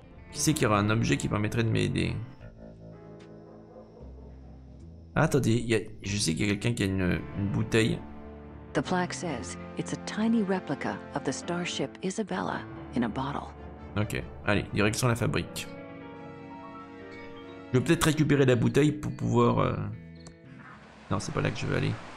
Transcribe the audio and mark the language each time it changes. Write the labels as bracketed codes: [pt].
[fr] Qui sait qu'il y aura un objet qui permettrait de m'aider? Attendez, je sais qu'il y a quelqu'un qui a une bouteille. [en] The plaque says it's a tiny replica of the starship Isabella in a bottle. [fr] Ok, allez, direction la fabrique. Je vais peut-être récupérer la bouteille pour pouvoir... Non, c'est pas là que je veux aller.